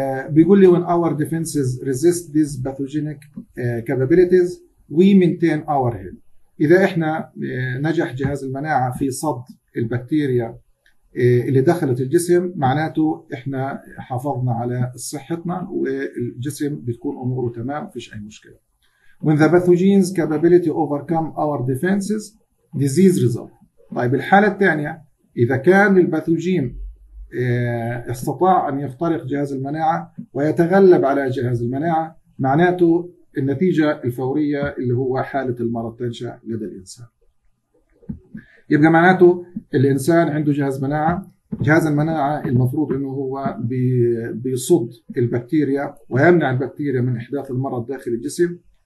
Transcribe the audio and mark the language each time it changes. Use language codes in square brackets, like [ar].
[ar] بيقول لي [en] when our defenses resist these pathogenic capabilities we maintain our health. [ar] إذا إحنا نجح جهاز المناعة في صد البكتيريا اللي دخلت الجسم معناته إحنا حافظنا على صحتنا والجسم بتكون أموره تمام فيش أي مشكلة. [en] When the pathogen's capability overcome our defenses disease result. [ar] طيب الحالة الثانية إذا كان الباثوجين استطاع أن يخترق جهاز المناعة ويتغلب على جهاز المناعة معناته النتيجة الفورية اللي هو حالة المرض تنشأ لدى الإنسان. يبقى معناته الإنسان عنده جهاز مناعة، جهاز المناعة المفروض أنه هو بيصد البكتيريا ويمنع البكتيريا من إحداث المرض داخل الجسم.